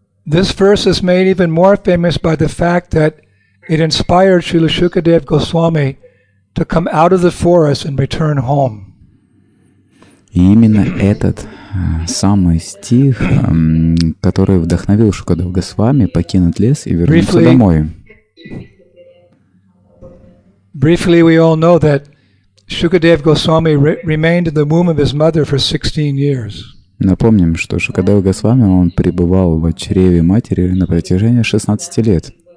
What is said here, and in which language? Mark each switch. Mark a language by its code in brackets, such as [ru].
[en] This verse is made even more famous by the fact that it inspired Srila Shukadev Goswami to come out of the forest and return home. [ru] И именно этот самый стих, который вдохновил Шукадев Госвами покинуть лес и вернуться [en] briefly, [ru] домой. [en] Briefly, we all know that Shukadev Goswami remained in the womb of his mother for 16 years. [ru] Напомним, что Шукадев Госвами, он пребывал в чреве матери на протяжении 16 лет.